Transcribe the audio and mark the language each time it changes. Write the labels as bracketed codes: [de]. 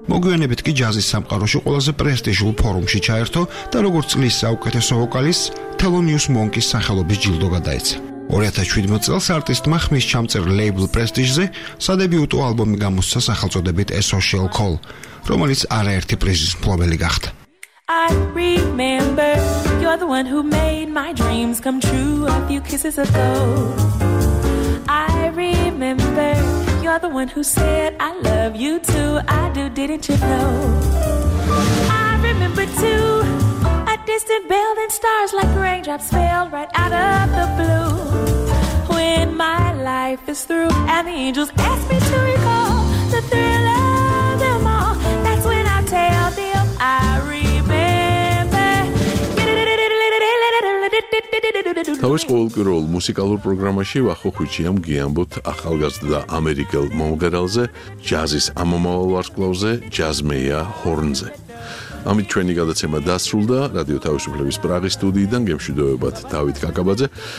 [ka] მოგვიანებით კი ჯაზის სამყაროში ყველაზე პრესტიჟულ ფორუმში ჩაერთო და როგორც წლის საუკეთესო ვოკალისტ თელონიუს მონკის სახელობის ჯილდო გადაეცა. 2017 წელს არტისტმა ხმის ჩამწერ ლეიბლ პრესტიჟზე სადებიუტო ალბომი გამოსცა სახელწოდებით A Social Call, რომელიც არაერთი პრიზის მფლობელი გახდა. [en] I remember you're the one who made my dreams come true a few kisses ago. I remember you're the one who said I love you too. I do, didn't you know? I remember too a distant bell and stars like raindrops fell right out of the blue. When my life is through and the angels ask me to recall the thrill of them all, that's when I tell them I remember. [ka] თავის ყოველკვირეულ მუსიკალურ პროგრამაში ვახუხუჩი ამ გიამბოთ ახალგაზრდა ამერიკელ მომღერალზე, ჯაზის ამომავალ ვარსკვლავზე, ჯაზმეია ჰორნზე. ამით ჩვენი გადაცემა დასრულდა. რადიო თავისუფლების პრაღის სტუდიიდან გემშვიდობებით დავით კაკაბაძე.